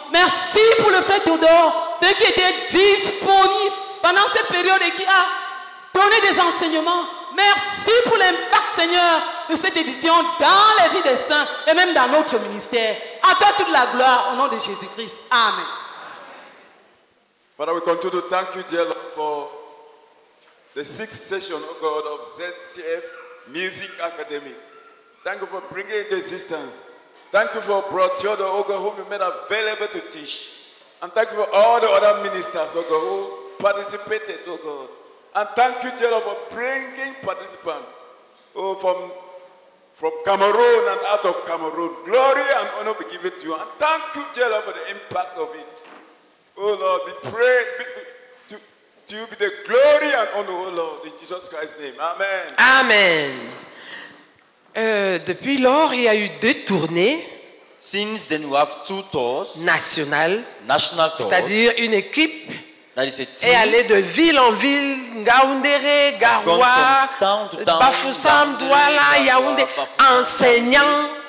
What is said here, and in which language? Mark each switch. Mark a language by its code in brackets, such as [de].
[fr] Merci pour le fait d'Odor, ceux qui étaient disponibles pendant cette période et qui a donné des enseignements. Merci pour l'impact, Seigneur, de cette édition dans les vies des saints et même dans notre ministère. À toi toute la gloire au nom de Jésus-Christ. Amen. [en] Father, we continue to thank you, dear Lord, for the sixth session, oh God, of ZTF Music Academy. Thank you for bringing it into existence. Thank you for brought Theodore, oh God, whom you made available to teach. And thank you for all the other ministers, oh God, who participated, oh God. And thank you, dear Lord, for bringing participants from Cameroon and out of Cameroon. Glory and honor be given to you. And thank you, dear Lord, for the impact of it. Oh Lord, we pray to you be the glory and honor, oh Lord, in Jesus Christ's name. Amen. Amen. [fr] Depuis lors, il y a eu deux tournées. [en] Since then, we have two tours. National tours. [fr] C'est-à-dire une équipe. [en] That is a team. [fr] Et aller de ville en ville, Ngaoundéré, Garoua, Bafoussam, Douala, Yaoundé, enseignant,